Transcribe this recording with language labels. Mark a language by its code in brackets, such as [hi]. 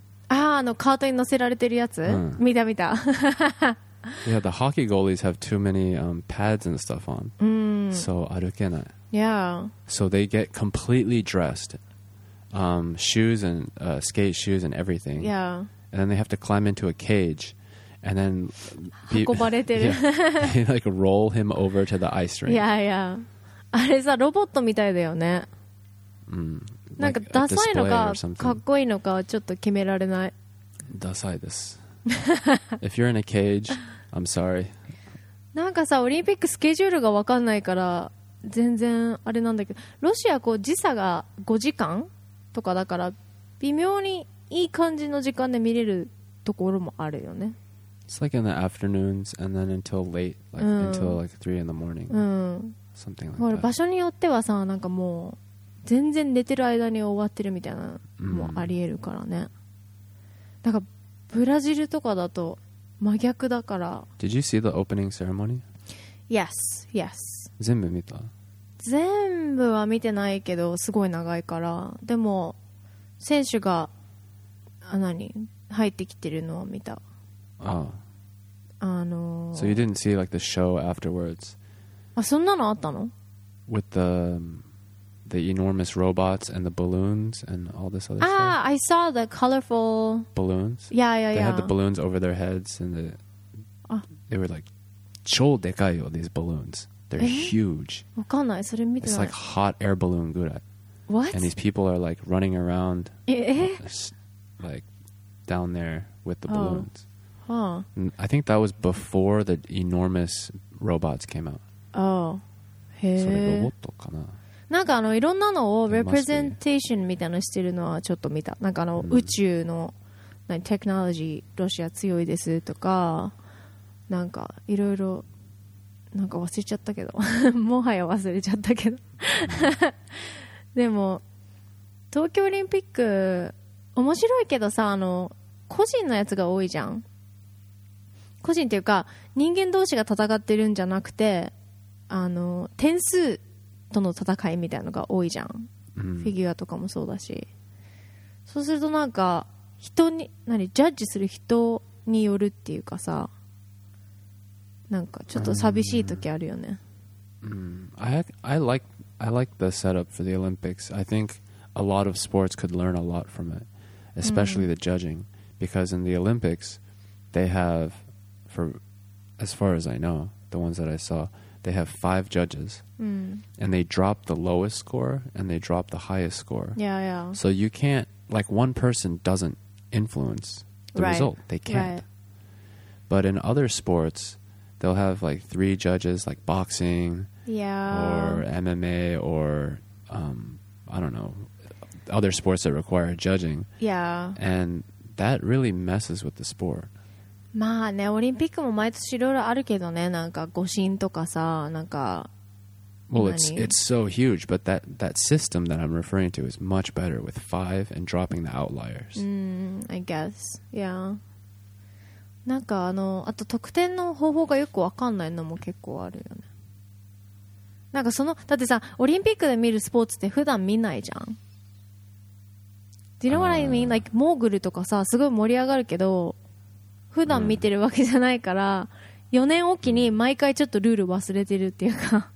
[ja] カートに乗せられてるやつ、見た。 [en] Yeah, the hockey goalies have too many pads and stuff on. [ja] So 歩けない。 [en] Yeah. So they get completely dressed. Shoes and skate shoes and everything. Yeah. And then they have to climb into a cage. And then... [ja] 運ばれてる。 [en] Yeah, they like roll him over to the ice rink. Yeah, yeah. [ja] あれさ、ロボットみたいだよね。なんかダサいのかかっこいいのかちょっと決められない。ダサいです。 [en] If you're in a cage, I'm sorry. [ja] なんかさ、オリンピックスケジュールが分かんないから全然あれなんだけど、ロシアこう時差が5時間とかだから微妙にいい感じの時間で見れるところもあるよね。 [en] It's like in the afternoons and then until late, like until like 3 in the morning. Something like that. [ja] 場所によってはさ、なんかもう全然寝てる間に終わってるみたいなのもありえるからね。なんかブラジルとかだと真逆だから。 [en] Did you see the opening ceremony? Yes, yes. [ja] 全部見た？全部は見てないけど、すごい長いから。でも選手が何入ってきてるのは見た。 [en] So you didn't see like the show afterwards? [ja] あ、そんなのあったの？ [en] With theThe enormous robots and the balloons and all this other stuff. Ah, I saw the colorful balloons. Yeah. They had the balloons over their heads and the. They were like, [ja] 超でかいよ [en] these balloons. They're huge. [ja] わかんない、それ見てない。 [en] It's like hot air balloon ぐらい。 What? And these people are like running around, like down there with the balloons. Huh. I think that was before the enormous robots came out. Oh, へえ。 [ja] それロボットかな。なんかいろんなのをレプレゼンテーションみたいなのしてるのはちょっと見た。なんか宇宙のテクノロジーロシア強いですとか、なんかいろいろなんか忘れちゃったけどもはや忘れちゃったけどでも東京オリンピック面白いけどさ、個人のやつが多いじゃん。個人っていうか人間同士が戦ってるんじゃなくて、点数との戦いみたいなのが多いじゃん、フィギュアとかもそうだし。そうするとなんか人に何ジャッジする人によるっていうかさ、なんかちょっと寂しい時あるよね。 [en] I like the setup for the Olympics. I think a lot of sports could learn a lot from it, especially the judging, because in the Olympics they have, for as far as I know, the ones that I sawThey have 5 judges, and they drop the lowest score and they drop the highest score. Yeah, yeah. So you can't, like, one person doesn't influence the result. They can't. Right. But in other sports, they'll have like three judges, like boxing, or MMA, or I don't know, other sports that require judging. Yeah. And that really messes with the sport. [ja] まあね、オリンピックも毎年いろいろあるけどね、なんか誤審とかさ、なんか。 [en] Well, it's so huge, but that system that I'm referring to is much better with five and dropping the outliers. Mm, I guess, yeah. [ja] なんかあの、あと得点の方法がよくわかんないのも結構あるよね。なんかその、だってさ、オリンピックで見るスポーツって普段見ないじゃん。 [en] Do you know what I mean? [ja] Like, モーグルとかさ、すごい盛り上がるけど、普段見てるわけじゃないから、4年おきに毎回ちょっとルール忘れてるっていうか。